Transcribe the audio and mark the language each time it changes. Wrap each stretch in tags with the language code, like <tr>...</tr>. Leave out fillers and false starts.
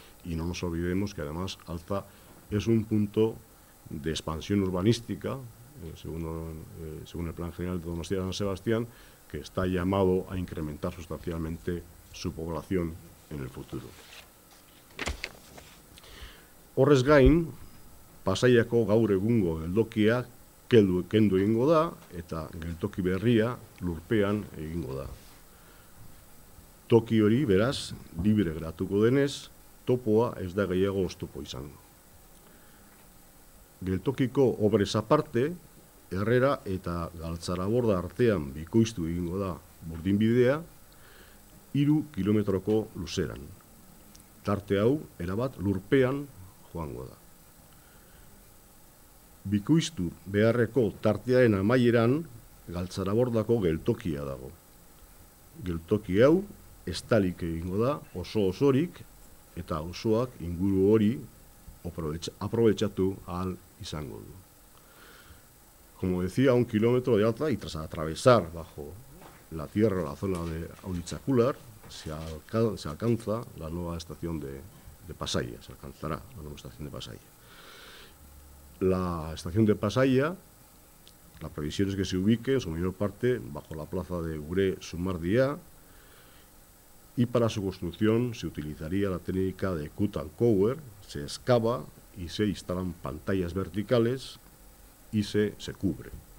<es>Y no nos olvidemos que además Altza es un punto de expansión urbanística, según el Plan General de Donostia San Sebastián, que está llamado a incrementar sustancialmente su población en el futuro.</es> <eu>Horrez gain, Pasaiako gaur egungo geldokia kendu egingo da eta geltoki berria lurpean egingo da. Toki hori, beraz, libre geratuko denez, topoa ez da gehiago oztopo izango. Geltokiko obrez aparte, Herrera eta Galtzaraborda artean bikoiztu egingo da burdinbidea, 3 kilometroko luzeran. tarte hau erabat lurpean joango da. Bikoiztu beharreko tartearen amaieran galtzarabordako geltokia dago. Geltoki hau estalik egingo da oso osorik eta osoak inguru hori aprovechatu al izango du.</eu> <es>Como decía, un kilómetro de alta y tras atravesar bajo la tierra la zona de Aulitzakular, se alcanza la nueva estación de Pasaia, se alcanzará la nueva estación de Pasaia. La estación de Pasaia, la previsión es que se ubique en su mayor parte bajo la plaza de Gure Sumardia y para su construcción se utilizaría la técnica de cut and cover, se excava y se instalan pantallas verticales y se cubre.</es>